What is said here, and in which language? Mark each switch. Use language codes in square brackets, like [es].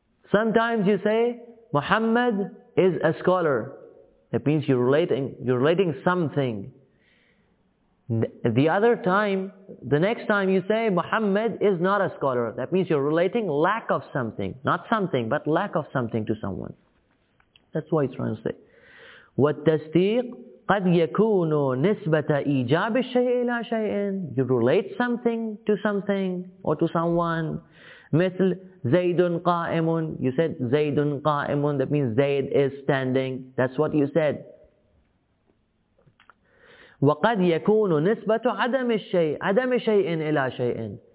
[en] Sometimes you say, Muhammad is a scholar. That means you're relating something. The other time, the next time you say, Muhammad is not a scholar. That means you're relating lack of something. Not something, but lack of something to someone. That's what he's trying to say. [ar] والتصديق قد يكون نسبة إيجاب الشيء إلى شيء. [en] You relate something or to someone. [ar] مثل زيدٌ قائمٌ. [en] You said [ar] زيدٌ قائمٌ. [en] That means Zayd is standing. That's what you said. [ar] وَقَدْ يَكُونُ نِسْبَةُ عَدَمِ الشَّيْءِ عَدَمِ شَيْءٍ إِلَى شَيْءٍ.